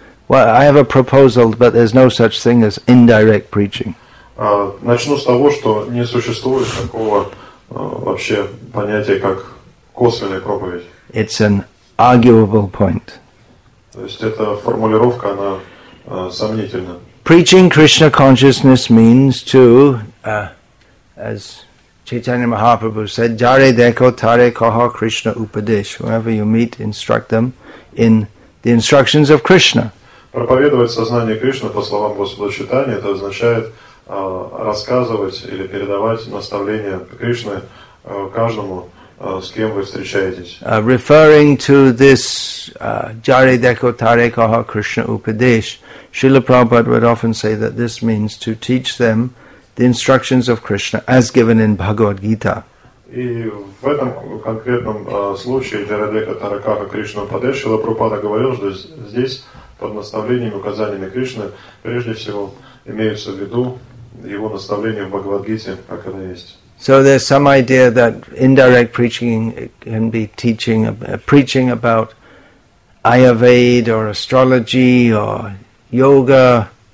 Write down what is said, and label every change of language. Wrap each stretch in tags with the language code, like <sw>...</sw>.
<en>I have a proposal, but there's no such thing as indirect preaching.</en> <ru>Начну с того, что не существует такого вообще понятия, как косвенная проповедь.</ru> <en>It's an arguable point.</en> <ru>То есть эта формулировка, она сомнительна.</ru> <en>Preaching Krishna consciousness means to, as Chaitanya Mahaprabhu said,</en> <bn>jare deko tare koha Krishna upadesh.</bn> <en>Whoever you meet, instruct them in the instructions of Krishna.</en> <ru>Проповедовать сознание Кришны, по словам Господа Чайтаньи, это означает рассказывать или передавать наставления Кришны каждому, с кем вы встречаетесь.</ru> <en>Referring to this</en> <bn>jare deko tare koha Krishna upadesh,</bn> <en>Srila Prabhupada would often say that this means to teach them the instructions of Krishna as given in Bhagavad Gita.</en> <ru>И в этом конкретном случае</ru> <bn>jare deko tare koha Krishna upadesh,</bn> <ru>Srila Prabhupada говорил, что здесь под наставлениями, указаниями Кришны прежде всего имеются в виду его наставления в Бхагавад Гите, как оно есть.</ru> <en>So there's some idea that indirect preaching can be teaching, preaching about Ayurveda or astrology or yoga.</en>